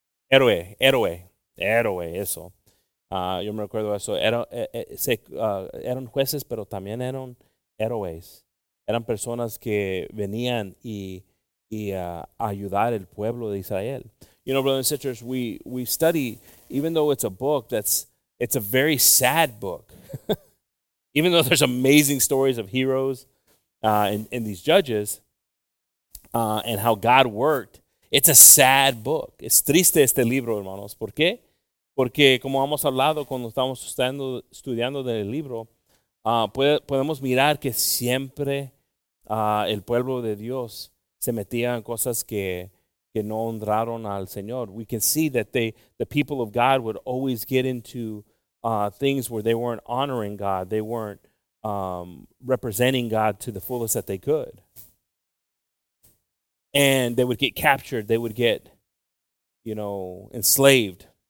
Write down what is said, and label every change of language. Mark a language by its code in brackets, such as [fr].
[es] Héroe, eso. Yo me recuerdo eso. Eran jueces, pero también eran héroes. Eran personas que venían y ayudar al pueblo de Israel. [en] You know, brothers and sisters, we study, even though it's a book it's a very sad book. Even though there's amazing stories of heroes and these judges and how God worked, it's a sad book. [es] Es triste este libro, hermanos. ¿Por qué? Porque como hemos hablado cuando estamos estudiando del libro, podemos mirar que siempre el pueblo de Dios se metía en cosas que no honraron al Señor. [en] We can see that the people of God would always get into things where they weren't honoring God. They weren't representing God to the fullest that they could. And they would get captured. They would get, you know, enslaved.